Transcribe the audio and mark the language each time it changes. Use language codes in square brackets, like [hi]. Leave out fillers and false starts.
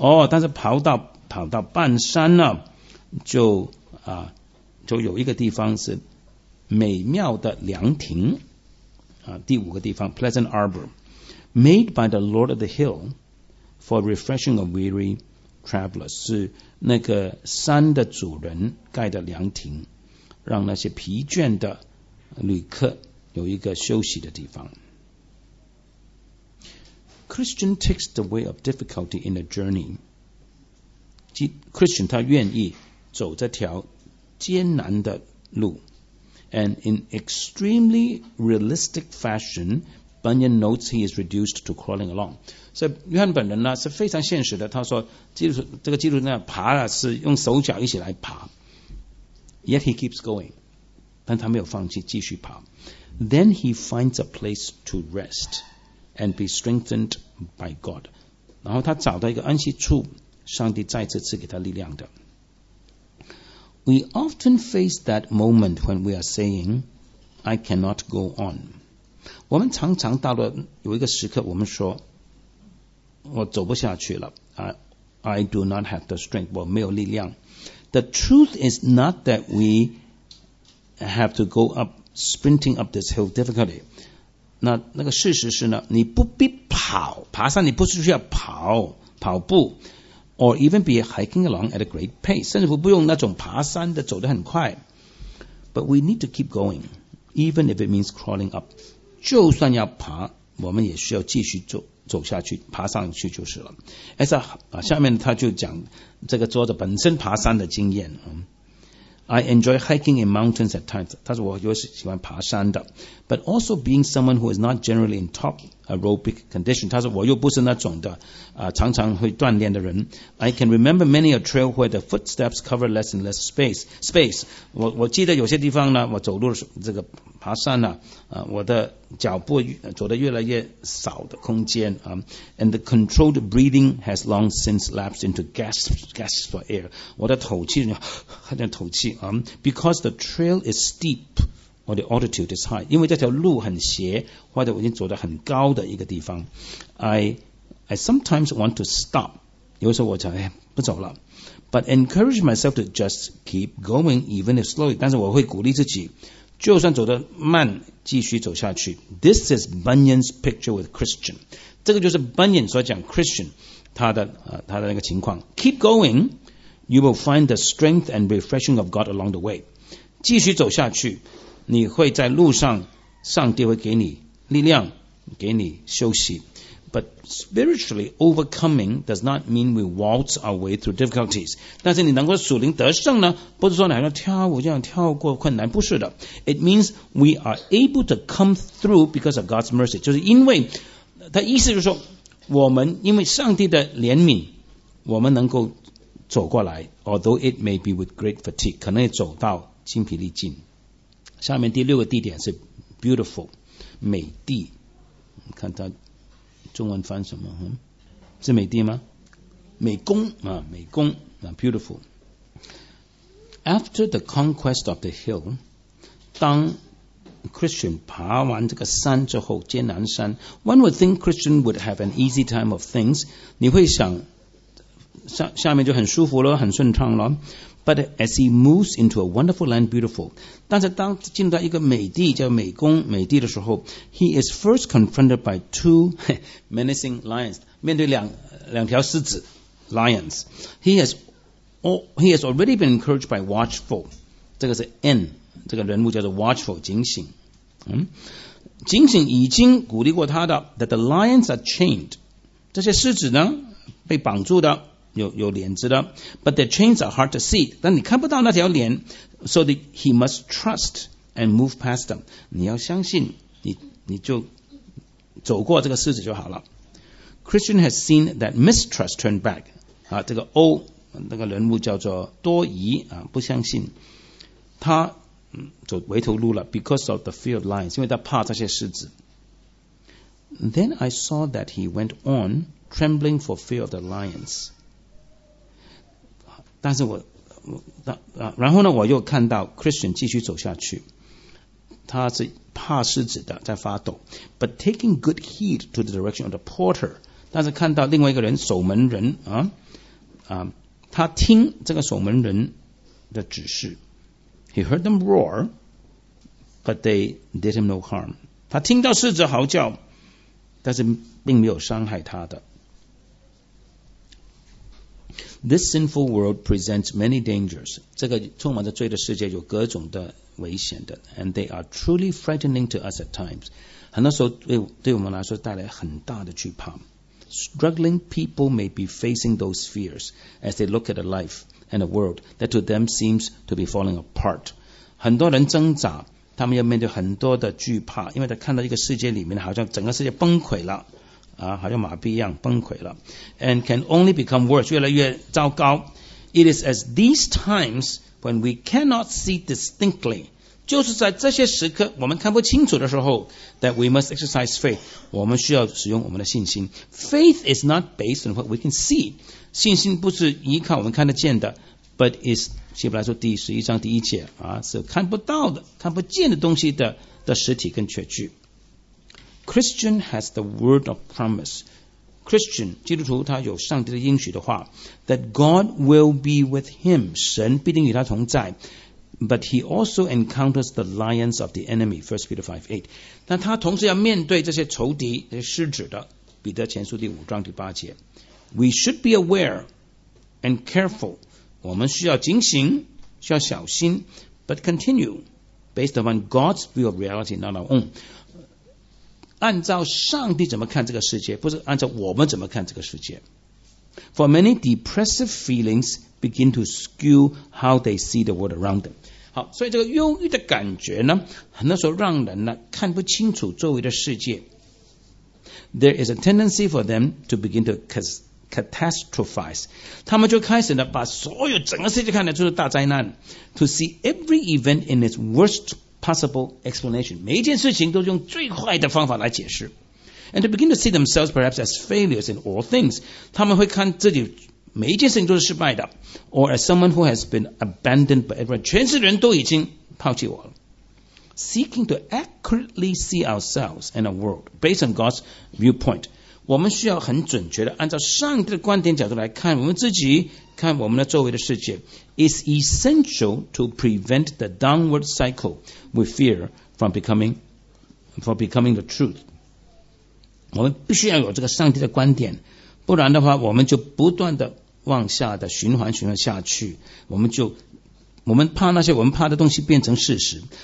[zh] 但是跑到半山呢就有一个地方是美妙的凉亭第五个地方 [en] pleasant arbor made by the Lord of the hill for refreshing a weary travelers [zh] 是那个山的主人盖的凉亭，让那些疲倦的旅客有一个休息的地方。 [en] Christian takes the way of difficulty in a journey. Christian [zh] 他愿意走这条艰难的路。 [en] And in extremely realistic fashion, Bunyan notes he is reduced to crawling along. [zh] 所以约翰本人呢是非常现实的，他说这个基督教爬了是用手脚一起来爬。 [en] Yet he keeps going. [zh] 但他没有放弃，继续爬。 [en] Then he finds a place to rest and be strengthened by God. [zh] 然后他找到一个安息处，上帝再次赐给他力量的。 [en] We often face that moment when we are saying, I cannot go on. [zh] 我们常常到了有一个时刻，我们说我走不下去了。 [en] I do not have the strength. [zh] 我没有力量。 [en] The truth is not that we have to go up sprinting up this hill difficulty. [zh] 那个事实是呢，你不必跑，爬山你不需要跑步。 [en] Or even be hiking along at a great pace. [zh] 甚至不用那种爬山的走得很快。 [en] But we need to keep going, even if it means crawling up. [zh] 就算要爬，我们也需要继续走下去，爬上去就是了。下面他就讲这个作者本身爬山的经验。 [en] I enjoy hiking in mountains at times. [zh] 他说我有时喜欢爬山的。 [en] But also being someone who is not generally in top aerobic condition. [zh] 他说我又不是那种的常常会锻炼的人。 [en] I can remember many a trail where the footsteps cover less and less space. [zh] 我记得有些地方呢，我走路这个爬山呢，我的脚步走得越来越少的空间。 [en] And the controlled breathing has long since lapsed into gasps for air. [zh] 我的吐气，还在吐气。 [en] Because the trail is steep or the altitude is high. [zh] 因为这条路很斜，或者我已经走得很高的一个地方。 [en] I sometimes want to stop. [zh] 有时候我想，不走了。 [en] But encourage myself to just keep going even if slowly. [zh] 但是我会鼓励自己就算走得慢继续走下去。 [en] This is Bunyan's picture with Christian. [zh] 这个就是 Bunyan 所讲 Christian 他的那个情况。 [en] Keep going, you will find the strength and refreshing of God along the way. [zh] 继续走下去，你会在路上上帝会给你力量，给你休息。 [en] But spiritually overcoming does not mean we waltz our way through difficulties. [zh] 但是你能够属灵得胜呢，不是说你要跳舞这样跳过困难，不是的。 [en] It means we are able to come through because of God's mercy. [zh] 就是因为他意思就是说，我们因为上帝的怜悯我们能够走过来。 [en] Although it may be with great fatigue. [zh] 可能也走到精疲力尽。下面第六个地点是 beautiful 美地，看它中文翻什么，是美地吗？美宫啊，美宫啊 ，beautiful. [en] After the conquest of the hill, [zh] 当 Christian 爬完这个山之后，艰难山 ， [en] one would think Christian would have an easy time of things. [zh] 你会想下面就很舒服了，很顺畅了。 [en] But as he moves into a wonderful land, beautiful. [zh] 但是当进到一个美地叫美宫美地的时候， [en] he is first confronted by two menacing lions. [zh] 面对两条狮子 [en] lions. He has already been encouraged by watchful. [zh] 这个是 N， 这个人物叫做 watchful， 警醒。警醒已经鼓励过他的 [en] that the lions are chained. [zh] 这些狮子呢被绑住的。有帘子的 [en] ，but the chains are hard to see. [zh] 但你看不到那条帘 [en] ，so that he must trust and move past them. [zh] 你要相信，你就走过这个狮子就好了。 [en] Christian has seen that mistrust turn back. [zh] 啊，这个 O 那个人物叫做多疑啊，不相信，他走回头路了 [en] ，because of the fear of lions. [zh] 因为他怕这些狮子。 [en] Then I saw that he went on trembling for fear of the lions. [zh] 但是然后呢我又看到 Christian 继续走下去，他是怕狮子的在发抖。 [en] But taking good heed to the direction of the porter. [zh] 但是看到另外一个人守门人他听这个守门人的指示。 [en] He heard them roar but they did him no harm. [zh] 他听到狮子嚎叫但是并没有伤害他的。 [en] This sinful world presents many dangers. [zh] 这个充满着罪的世界有各种的危险的 ， [en] and they are truly frightening to us at times. [zh] 很多时候对我们来说带来很大的惧怕。 [en] Struggling people may be facing those fears as they look at a life and a world that to them seems to be falling apart. [zh] 很多人挣扎，他们要面对很多的惧怕，因为他看到一个世界里面好像整个世界崩溃了。好像麻痹一样崩溃了 [en] and can only become worse [zh] 越来越糟糕 [en] It is at these times when we cannot see distinctly [zh] 就是在这些时刻我们看不清楚的时候 [en] that we must exercise faith [zh] 我们需要使用我们的信心 [en] Faith is not based on what we can see [zh] 信心不是依靠我们看得见的 [en] but is [zh] 希伯来说第十一章第一节是看不到的看不见的东西 的实体跟确据 [en] Christian has the word of promise. [zh] Christian, 基督徒他有上帝的应许的话 [en] that God will be with him. [zh] 神必定与他同在 [en] But he also encounters the lions of the enemy. 1 Peter 5:8. [zh] 但他同时要面对这些仇敌这些狮子的彼得前书第五章第八节 [en] We should be aware and careful. [zh] 我们需要警醒需要小心 [en] But continue based upon God's view of reality, not our own. [zh] 按照上帝怎么看这个世界不是按照我们怎么看这个世界 [en] For many depressive feelings begin to skew how they see the world around them [zh] 好所以这个忧郁的感觉呢很多时候让人呢看不清楚周围的世界 [en] There is a tendency for them to begin to catastrophize [zh] 他们就开始呢把所有整个世界看得出是大灾难 [en] To see every event in its worst possible explanation. [zh] 每一件事情都用最坏的方法来解释。 [en] And to begin to see themselves perhaps as failures in all things. [zh] 他们会看自己每一件事情都是失败的。 [en] Or as someone who has been abandoned by everyone. [zh] 全世界人都已经抛弃我了。 [en] Seeking to accurately see ourselves and our world based on God's viewpoint. [zh] 我们需要很准确的按照上帝的观点角度来看我们自己看我们的周围的世界 [en] is essential to prevent the downward cycle with fear from becoming the truth. [zh] 我们必须要有这个上帝的观点，不然的话，我们就不断的往下的循环下去。我们怕那些我们怕的东西变成事实